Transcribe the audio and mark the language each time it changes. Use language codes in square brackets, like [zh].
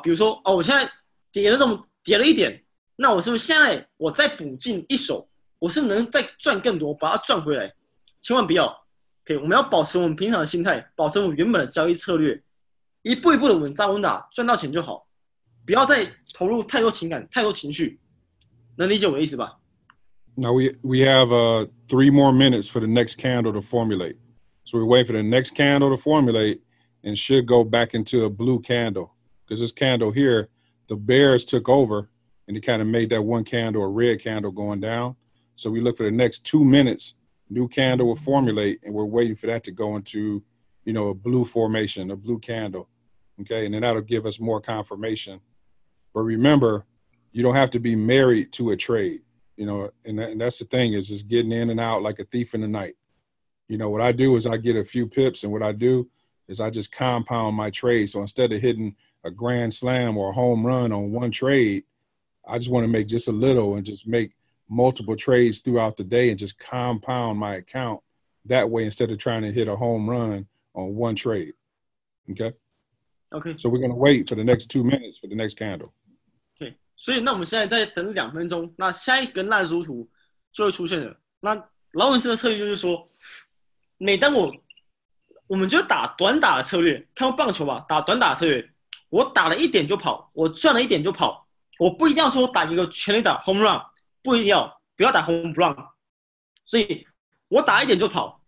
[zh] 比如说哦，我现在跌了这么跌了一点，那我是不是现在我再补进一手，我是能再赚更多，把它赚回来？千万不要。 OK， 我们要保持我们平常的心态，保持我们原本的交易策略，一步一步的稳扎稳打，赚到钱就好，不要再投入太多情感、太多情绪。能理解我的意思吧？ [en] Now we have three more minutes for the next candle to formulate, so we're waiting for the next candle to formulate and should go back into a blue candle, because this candle here, the bears took over and it kind of made that one candle a red candle going down. So we look for the next 2 minutes, new candle will formulate, and we're waiting for that to go into, you know, a blue formation, a blue candle, okay? And then that'll give us more confirmation. But remember, you don't have to be married to a trade, you know, and that's the thing, is just getting in and out like a thief in the night. You know, what I do is I get a few pips, and what I do is I just compound my trade. So instead of hitting a grand slam or a home run on one trade, I just want to make just a little and just make multiple trades throughout the day and just compound my account that way, instead of trying to hit a home run on one trade. Okay. So we're going to wait for the next 2 minutes for the next candle. Okay. [zh] 所以那我们现在再等两分钟，那下一根蜡烛图就会出现了。那劳伦斯的策略就是说，每当我们就打短打的策略，看过棒球吧，打短打的策略，我打了一点就跑，我赚了一点就跑，我不一定要说打一个全力打 home run，不一定要，不要打 home run， 所以我打一点就跑。